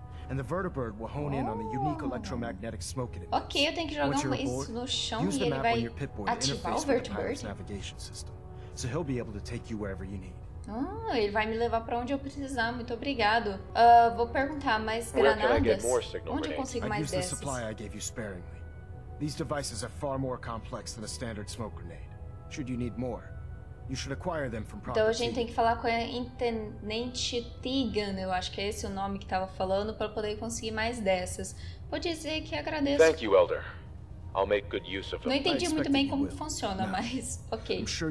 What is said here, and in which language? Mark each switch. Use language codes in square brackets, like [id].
[en] And the vertibird will hone in on the unique electromagnetic smoke it emits. [pt] Ok, eu tenho que jogar isso no chão e ele vai ativar o vertibird. [en] Navigation system, so he'll be able to take you wherever you need. [pt] Ele vai me levar para onde eu precisar. Muito obrigado. Vou perguntar mais granadas. Onde eu consigo mais dessas? [en] Supply I gave you sparingly. These devices are far more complex than a standard smoke grenade. Should you need more, you should acquire them from Prophet. [pt] Então a gente tem que falar com a Intendente Tegan, eu acho que é esse o nome que estava falando, para poder conseguir mais dessas. Vou dizer que agradeço. [en] Thank you, Elder. I'll make good use of them. [pt] Não entendi muito bem como funciona, mas ok.